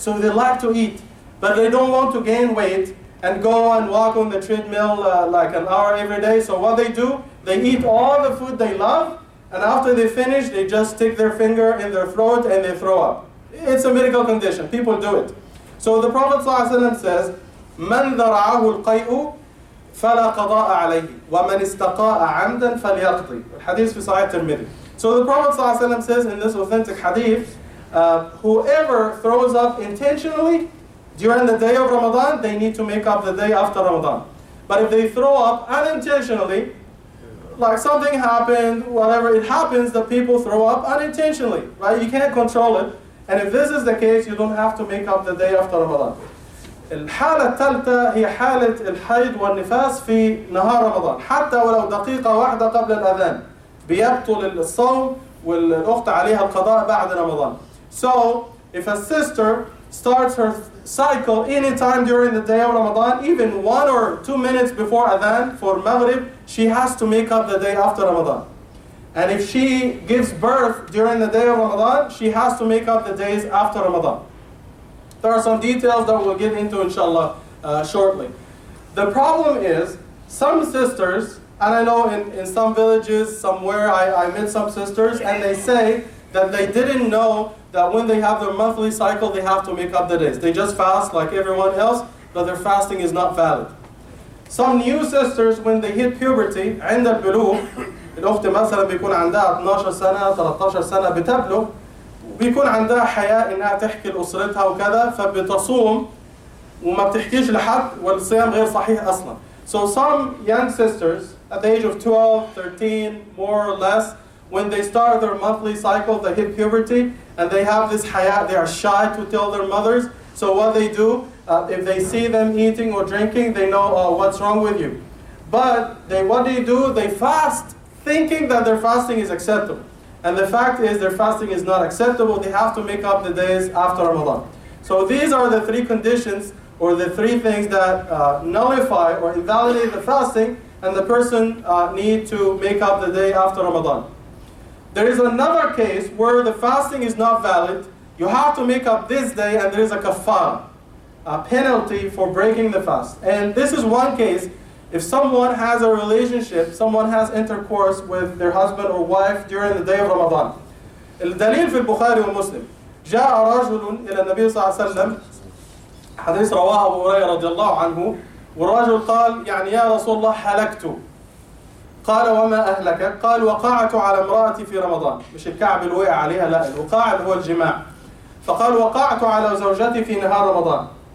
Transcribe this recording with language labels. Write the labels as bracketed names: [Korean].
[English] So they like to eat, but they don't want to gain weight and go and walk on the treadmill like an hour every day. So what they do, they eat all the food they love And after they finish, they just stick their finger in their throat and they throw up. It's a medical condition. People do it. So the Prophet ﷺ says, [Arabic] "من ذرعه القيء فلا قضاء عليه ومن استقاء عمدا فليقضي." Hadith في صحيح الترمذي. [English] So the Prophet ﷺ says in this authentic hadith, whoever throws up intentionally during the day of Ramadan, they need to make up the day after Ramadan. But if they throw up unintentionally, like something happened, whatever, it happens that people throw up unintentionally, right? You can't control it. And if this is the case, you don't have to make up the day after Ramadan. [Arabic] الحالة الثالثة هي حالة الحيض والنفاس في نهار رمضان. حتى ولو دقيقة واحدة قبل الأذان. بيبطل الصوم والأخت عليها القضاء بعد رمضان. [English] So, if a sister starts her cycle any time during the day of Ramadan, even 1 or 2 minutes before Adhan for Maghrib, she has to make up the day after Ramadan. And if she gives birth during the day of Ramadan, she has to make up the days after Ramadan. There are some details that we'll get into, inshallah, shortly. The problem is, some sisters, and I know in some villages, somewhere, I met some sisters, and they say that they didn't know that when they have their monthly cycle, they have to make up the days. They just fast like everyone else, but their fasting is not valid. Some new sisters, when they hit puberty, [Arabic] عند البلوغ, الأخت مثلا بيكون عندها 12 سنة, 13 سنة بتبلغ, بيكون عندها حياء إنها تحكي لأسرتها وكذا, فبتصوم وما بتحكيش لحد, والصيام غير صحيح أصلا. [English] So some young sisters, at the age of 12, 13, more or less, when they start their monthly cycle, they hit puberty, and they have this haya, they are shy to tell their mothers. So what they do, if they see them eating or drinking, they know, oh, what's wrong with you. But they, what do? They fast, thinking that their fasting is acceptable. And the fact is, their fasting is not acceptable. They have to make up the days after Ramadan. So these are the three conditions, or the three things that nullify or invalidate the fasting, and the person need to make up the day after Ramadan. There is another case where the fasting is not valid. You have to make up this day, and there is a kafara, a penalty for breaking the fast. And this is one case, if someone has a relationship, someone has intercourse with their husband or wife during the day of Ramadan. [Arabic] الدليل في البخاري ومسلم. جاء رجل إلى النبي صلى الله عليه وسلم, حديث رواه أبو هريرة رضي الله عنه, والرجل قال, يعني يا رسول الله هلكت. قال وما أهلك؟ قال وقعت على امرأتي في رمضان. مش الكعب اللي وقع عليها, لا, الوقاع هو الجماع. فقال وقعت على زوجتي في نهار رمضان.